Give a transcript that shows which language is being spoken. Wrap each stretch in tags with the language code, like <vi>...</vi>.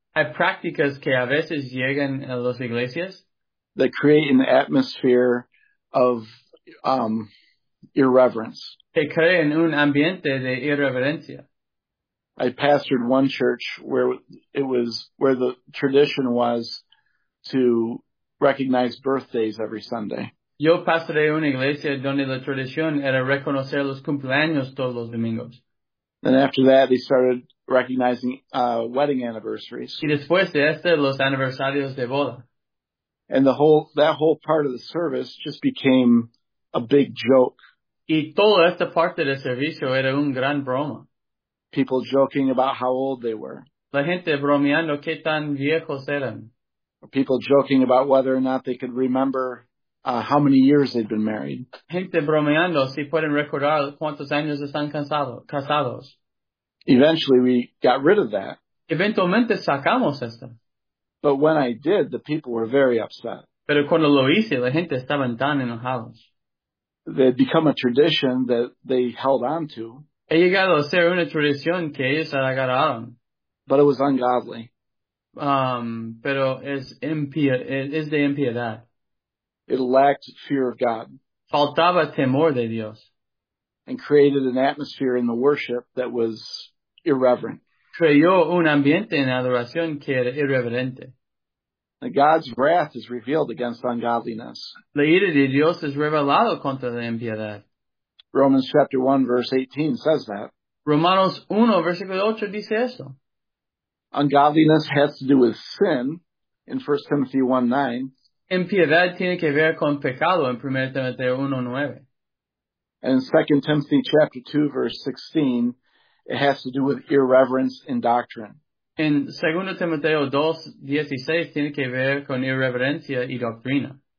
<es>Hay prácticas que a veces llegan a las iglesias.</es> <en>That create an atmosphere of irreverence.</en> <es>Que crean un ambiente de irreverencia.</es> <en>I pastored one church where it was where the tradition was to recognize birthdays every Sunday.</en> <es>Yo pastoreé una iglesia donde la tradición era reconocer los cumpleaños todos los domingos.</es> <en>And after that, they started recognizing wedding anniversaries.</en> <es>Y después de esto, los aniversarios de boda.</es> <en>And that whole part of the service just became a big joke.</en> <es>Y toda esta parte del servicio era un gran broma.</es> <en>People joking about how old they were.</en> <es>La gente bromeando qué tan viejos eran.</es> <en>People joking about whether or not they could remember how many years they'd been married.</en> <es>Gente bromeando si pueden recordar cuántos años están casados.</es> <en>Eventually we got rid of that.</en> <es>Eventualmente sacamos esto.</es> <en>But when I did, the people were very upset.</en> <es>Pero cuando lo hice, la gente estaban tan enojados.</es> <en>They had become a tradition that they held on to.</en> <es>He llegado a ser una tradición que ellos agarraron.</es> <en>But it was ungodly.</en> <es>Pero es de impiedad.</es> <en>It lacked fear of God.</en> <es>Faltaba temor de Dios.</es> <en>And created an atmosphere in the worship that was irreverent.</en> <es>Creó un ambiente en adoración que era irreverente.</es> <en>And God's wrath is revealed against ungodliness.</en> <es>La ira de Dios es revelado contra la impiedad.</es> <en>Romans chapter 1, verse 18 says that.</en> <es>Romanos 1, versículo 8 dice eso.</es> <en>Ungodliness has to do with sin in 1 Timothy 1, 9.</en> <es>Impiedad tiene que ver con pecado en 1 Timothy 1, 9.</es> <en>And 2 Timothy chapter 2, verse 16, it has to do with irreverence in doctrine.</en> <es>En 2 Timoteo 2, 16 tiene que ver con irreverencia y doctrina.</es>